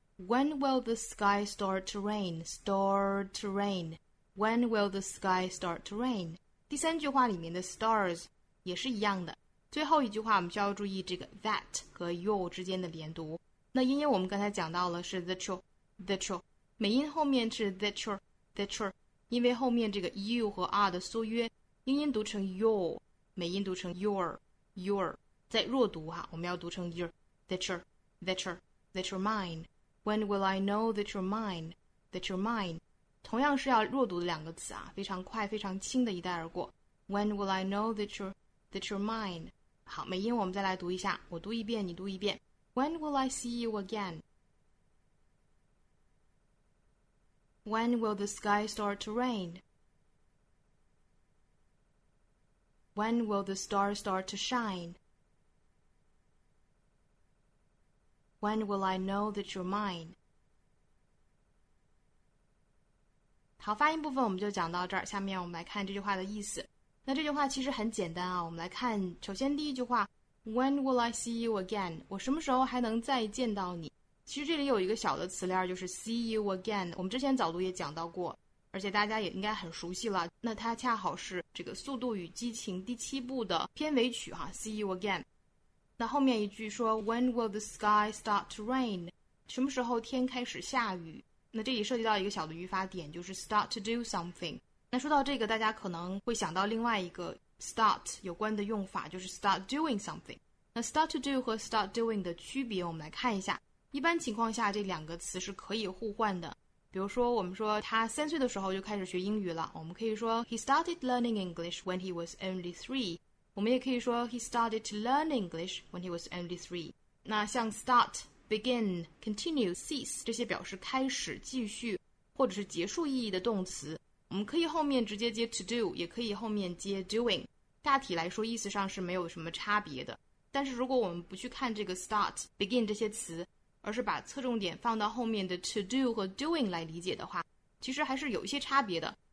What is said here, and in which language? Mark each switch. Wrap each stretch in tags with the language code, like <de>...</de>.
<en>When will the sky start to rain? Start to rain。 When will the sky start to rain?</en> <zh>第三句话里面的 stars 也是一样的。最后一句话我们需要注意这个 that 和 your 之间的连读。那英音我们刚才讲到了是</zh> <en>the true，</en> <zh>美音后面是 the true， 因为后面这个 you 和 are 的缩约，英音读成 your， 美音读成 your， 在弱读哈，我们要读成</zh> <en>your that you're mine。 When will I know that you're mine? That you're mine。</en> <zh>同样是要弱读的两个词啊，非常快非常轻的一带而过。</zh> <en>When will I know that you're mine?</en> <zh>好，美音我们再来读一下，我读一遍你读一遍。</zh> <en>When will I see you again? When will the sky start to rain? When will the star start to shine? When will I know that you're mine?</en> <zh>好，发音部分我们就讲到这儿，下面我们来看这句话的意思。那这句话其实很简单啊，我们来看，首先第一句话</zh> <en>When will I see you again?</en> <zh>我什么时候还能再见到你？其实这里有一个小的词链，就是</zh> <en>see you again，</en> <zh>我们之前早读也讲到过，而且大家也应该很熟悉了。那它恰好是这个速度与激情第七部的片尾曲哈，</zh> <en>see you again。</en> <zh>那后面一句说</zh> <en>When will the sky start to rain?</en> <zh>什么时候天开始下雨？那这里涉及到一个小的语法点，就是</zh> <en>start to do something。</en> <zh>那说到这个，大家可能会想到另外一个 start 有关的用法，就是</zh> <en>start doing something。</en> <zh>那</zh> <en>start to do</en> <zh>和</zh> <en>start doing</en> <zh>的区别我们来看一下。一般情况下这两个词是可以互换的，比如说我们说他三岁的时候就开始学英语了，我们可以说</zh> <en>He started learning English when he was only three。</en> <zh>我们也可以说</zh> <en>He started to learn English when he was only three。</en> <zh>那像 startBegin, continue, cease 这些表示开始、继续或者是结束意义的动词，我们可以后面直接接 to do， 也可以后面接 doing， 大体来说意思上是没有什么差别的。但是如果我们不去看这个 start, begin 这些词，而是把侧重点放到后面的 to do 和 doing 来理解的话，其实还是有一些差别的。</zh>